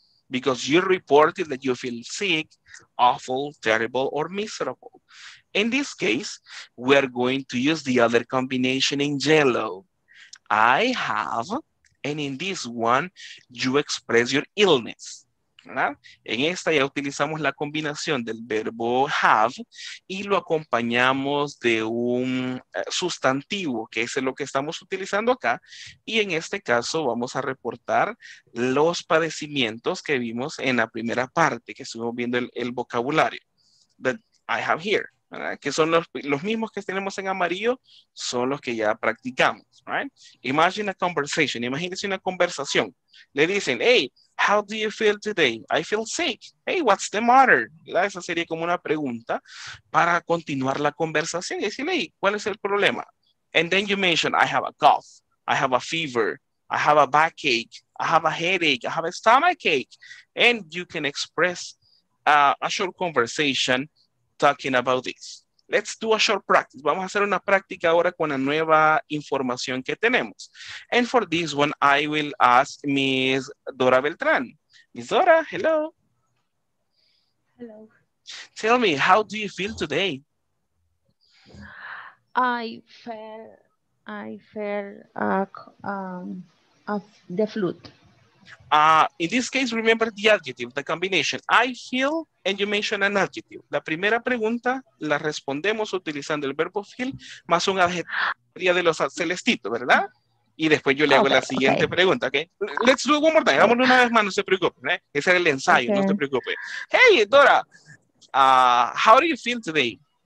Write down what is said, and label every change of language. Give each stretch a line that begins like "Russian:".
English: Because you reported that you feel sick, awful, terrible, or miserable. In this case, we're going to use the other combination in yellow. I have, and in this one, you express your illness.
Spanish: ¿Verdad? En esta ya utilizamos la combinación del verbo have y lo acompañamos de un sustantivo, que es lo que estamos utilizando acá. Y en este caso vamos a reportar los padecimientos que vimos en la primera parte, que estuvimos viendo el vocabulario.
English: That I have here,
Spanish: ¿verdad? Que son los mismos que tenemos en amarillo, son los que ya practicamos.
English: Right? Imagine a conversation.
Spanish: Imagínense una conversación. Le dicen,
English: hey, how do you feel today? I feel sick. Hey, what's the matter?
Spanish: ¿Verdad? Esa sería como una pregunta para continuar la conversación. Y decirle, hey, ¿cuál es el problema?
English: And then you mention, I have a cough. I have a fever. I have a backache. I have a headache. I have a stomachache. And you can express a short conversation talking about this. Let's do a short practice.
Spanish: Vamos a hacer una práctica ahora con la nueva información que tenemos.
English: And for this one, I will ask Miss Dora Beltran. Miss Dora, hello. Hello. Tell me, how do you feel today? I feel the flu. In this case, remember the adjective, the combination. I feel, and you mention an adjective.
Spanish: La primera pregunta la respondemos utilizando el verbo feel más un adjetivo de los celestitos, ¿verdad? Y después yo le hago la siguiente pregunta, ¿ok?
English: Let's do one more time.
Spanish: Vámonos una vez más, no se preocupe, ¿eh? Ese era el ensayo, no se preocupe.
English: Hey, Dora, how do you feel today?